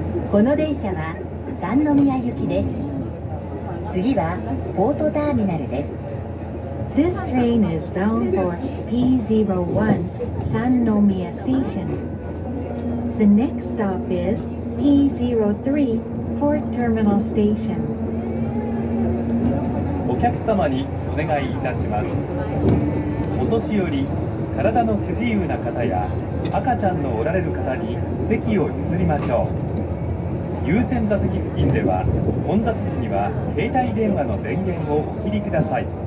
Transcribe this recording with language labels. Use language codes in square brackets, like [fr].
[ja] この電車は三宮行きです。次はポートターミナルです。 [en] This train is bound for P01 Sannomiya Station. The next stop is P03 Port Terminal Station. [ja] お客様にお願いいたします。お年寄り、体の不自由な方や赤ちゃんのおられる方に席を譲りましょう。優先座席付近では混雑時には携帯電話の電源をお切りください。